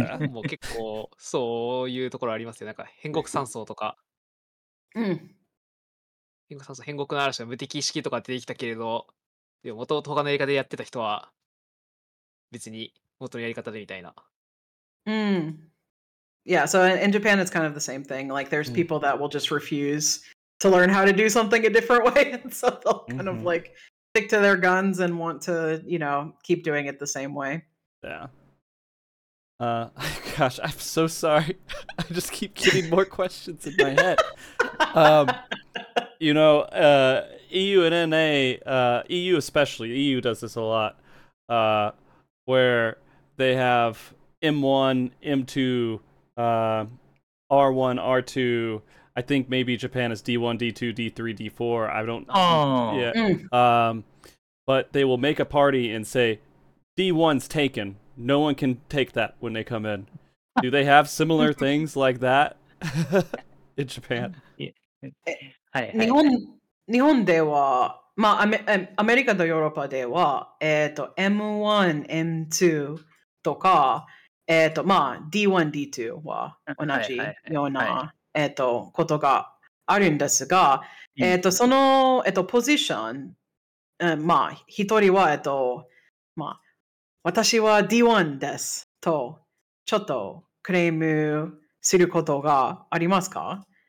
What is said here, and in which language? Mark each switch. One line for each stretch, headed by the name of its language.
Japanese: もう結構、そういうところありますよ。なんか、変国三層とか。うん。変国三層、変国の嵐は無敵意識とか出てきたけれど、でも元々他のやり方でやってた人は、別に元のやり方でみたいな。 Mm.
English: Yeah, so in Japan it's kind of the same thing. Like there's people that will just refuse to learn how to do something a different way, and so they'll kind of like stick to their guns and want to, you know, keep doing it the same way. Yeah. Gosh, I'm so sorry. I just keep getting more questions in my head. You know, EU and NA, EU especially, EU does this a lot, where they have M1, M2, R1, R2. I think maybe Japan is D1, D2, D3, D4. I don't know. But they will make a party and say, D1's taken. No one can take that when they come in. Do they have similar things like that in Japan? Yeah.
Japanese: Hi, hi, hi. まあ、アメリカとヨーロッパでは、M1, M2 とか、まあ、D1、D2 は同じような、はいはいはい、ことがあるんですが、その、ポジション、まあ、一人は、まあ、私は D1 ですと、ちょっとクレームすることがありますか？